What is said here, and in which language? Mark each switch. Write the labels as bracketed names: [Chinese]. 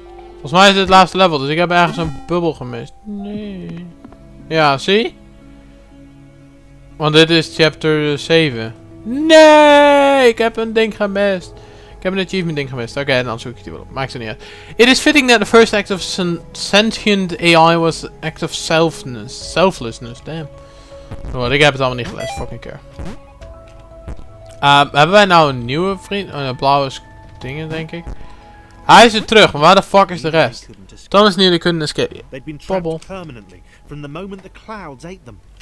[Dutch] Volgens mij is dit het laatste level, dus ik heb ergens een bubbel gemist. Nee. Ja, zie? Want dit is chapter 7. Nee, ik heb een ding gemist. Ik heb een achievement ding gemist. Oké, dan zoek ik die wel op. Maakt het niet uit. [English] It is fitting that the first act of sentient AI was the act of selfness. Selflessness, damn. [Dutch] Oh, ik heb het allemaal niet gelezen, [English] fucking care. [Dutch] Hebben wij nou een nieuwe vriend? Een blauwe dingen, denk ik. Hij is er terug, maar waar de fuck is de rest? [English] Thomas nearly couldn't escape. They'd been trapped permanently from the moment the clouds ate them.